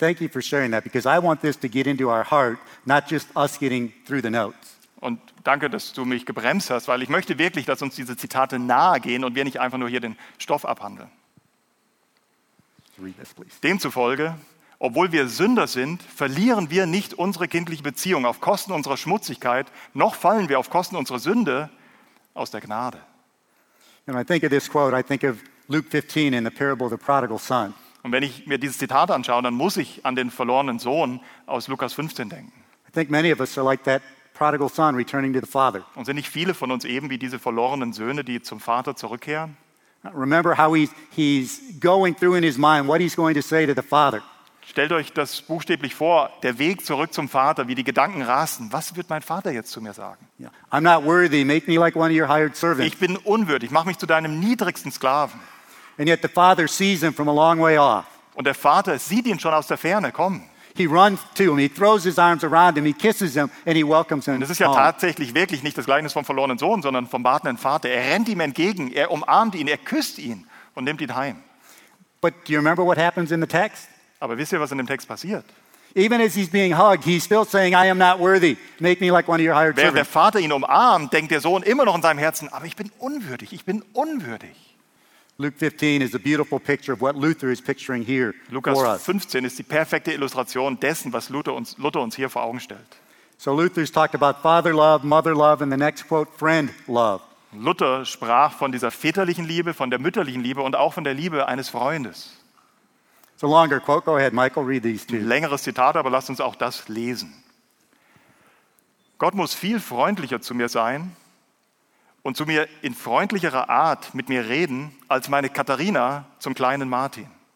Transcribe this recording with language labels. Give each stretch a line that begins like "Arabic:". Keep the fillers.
German: danke, dass du mich gebremst hast, weil ich möchte wirklich, dass uns diese Zitate nahe gehen und wir nicht einfach nur hier den Stoff abhandeln. Demzufolge, obwohl wir Sünder sind, verlieren wir nicht unsere kindliche Beziehung auf Kosten unserer Schmutzigkeit, noch fallen wir auf Kosten unserer Sünde aus der Gnade.
English: And I think of this quote, I think of Luke 15 in the parable of the prodigal son.
German: Und wenn ich mir this Zitat anschaue, dann muss ich an den verlorenen Sohn aus Lukas 15 denken.
English: I think many of us are like that prodigal son returning to the father.
German: Und sind nicht viele von uns eben wie diese verlorenen Söhne, die zum Vater zurückkehren?
English: Remember how he's going through in his mind what he's going to say to the father.
German: Stellt euch das buchstäblich vor, der Weg zurück zum Vater, wie die Gedanken rasten. Was wird mein Vater jetzt zu mir sagen? Yeah. Like ich bin unwürdig, mach mich zu deinem niedrigsten Sklaven. Und der Vater sieht ihn schon aus der Ferne kommen.
English: He runs to him, he throws his arms around him, he kisses him and he welcomes him.
German: Und das ist ja
English: home.
German: tatsächlich wirklich nicht das Gleichnis vom verlorenen Sohn, sondern vom wartenden Vater. Er rennt ihm entgegen, er umarmt ihn, er küsst ihn und nimmt ihn heim.
English: But do you remember what happens in text?
German: Aber wisst ihr, was in dem Text passiert?
English: Even as he's being hugged, he's still saying, "I am not worthy. Make me like one of your hired Wer servants."
German: Während der Vater ihn umarmt, denkt der Sohn immer noch in seinem Herzen: "Aber ich bin unwürdig. Ich bin unwürdig."
English: Luke 15 is a beautiful picture of what Luther is picturing here. Lukas for 15 us.
German: ist die perfekte Illustration dessen, was Luther uns, Luther uns hier vor Augen stellt.
English: So Luther's talked about father love, mother love, and the next quote, friend love.
German: Luther sprach von dieser väterlichen Liebe, von der mütterlichen Liebe und auch von der Liebe eines Freundes. Ahead, Michael, längeres Zitat, aber lasst uns auch das lesen. Gott muss viel freundlicher zu mir sein und zu mir in freundlicherer Art mit mir reden als meine Katharina zum kleinen Martin.